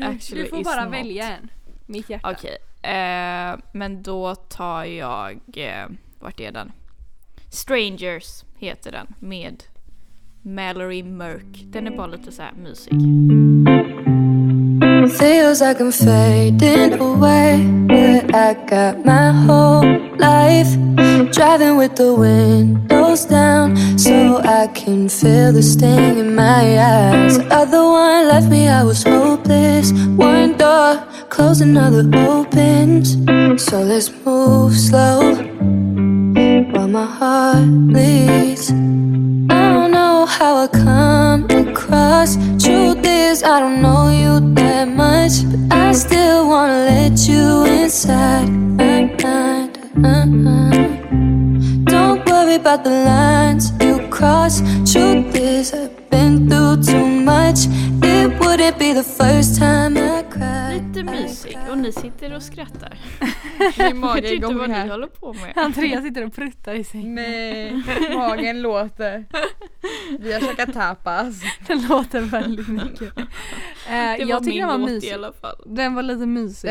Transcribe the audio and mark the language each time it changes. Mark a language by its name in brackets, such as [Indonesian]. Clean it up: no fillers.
[Swedish] Du får bara välja en. Mitt hjärta. Okej. Men då tar jag vart är den? Strangers heter den med Mallory Merk. Den är bara lite så här musik. [English] Feels like I'm fading away, but I got my whole life driving with the windows down so I can feel the sting in my eyes. The other one left me, I was hopeless. One door closed, another opens. So let's move slow while my heart bleeds. How I come across. Truth is, I don't know you that much, but I still wanna let you inside my mind. Don't worry about the lines you cross. Truth is, I've been through too much. It wouldn't be the first time I cried. [Swedish] Lite musik och ni sitter och skrattar. Jag vet inte vad här. Ni håller på med. Andrea sitter och pruttar i sängen. Nej, magen låter. Vi har käkat tapas. Den låter väldigt mycket. Jag tycker den var mysig. I alla fall. Den var lite mysig.